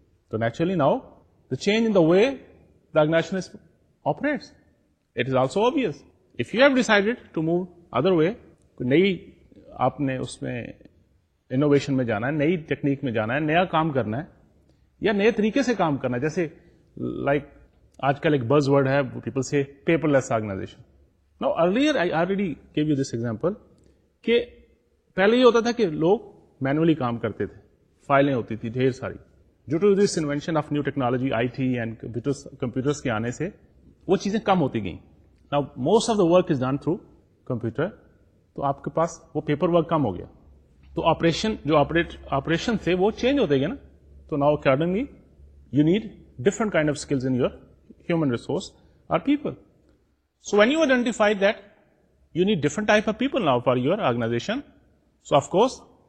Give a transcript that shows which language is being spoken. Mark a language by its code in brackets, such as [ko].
[en] So naturally now, the change in the way the organization operates. It is also obvious. If you have decided to move other way, [ur] نئی آپ نے اس میں innovation میں جانا ہے، نئی ٹیکنیک میں جانا ہے، نیا کام کرنا ہے یا نئے طریقے سے کام کرنا ہے، جیسے لائک آج کل ایک بز ورڈ ہے پیپل سے paper less organization. [en] no earlier I already gave you this example [ur] کہ پہلے یہ ہوتا تھا کہ لوگ مینولی کام کرتے تھے، فائلیں ہوتی تھی ڈھیر ساری. [en] due to this invention of new technology I T and computers [ur] کے آنے سے وہ چیزیں کم ہوتی گئیں، [en] Now, most of the work is done through computer. [ur] تو آپ کے پاس وہ پیپر ورک کم ہو گیا تو آپریشن جو آپریشن تھے وہ چینج ہوتے گئے نا تو [en] now accordingly you need different kind of skills in your human resource are people so when you identify that you need different type of people now for your organization so of course